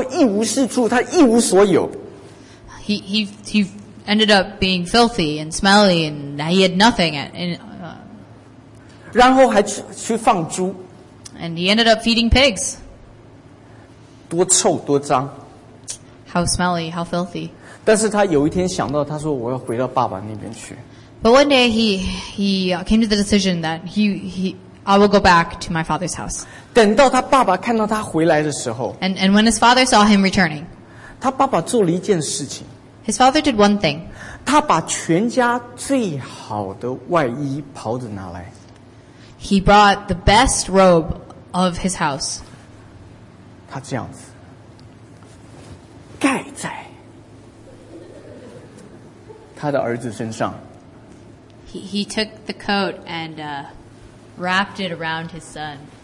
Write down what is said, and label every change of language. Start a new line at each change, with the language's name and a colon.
Chinese: 发现他，结果他什么都没有，他自己变得又臭又脏，然后一无是处，他一无所有。
English: He ended up being filthy and smelly, and he had nothing. And he ended up feeding pigs.
Chinese: 多臭多脏。
English: How smelly, how filthy.
Chinese: 但是他有一天想到，他说我要回到爸爸那边去。
English: But one day he came to the decision that I will go back to my father's house.
Chinese: 等到他爸爸看到他回来的时候。
English: And when his father saw him returning,
Chinese: 他爸爸做了一件事情。
English: His father did one thing.
Chinese: 他把全家最好的外衣袍子拿来。
English: He brought the best robe of his house.
Chinese: 他这样子, 盖在, 他的儿子身上。
English: He took the coat and wrapped it around his son.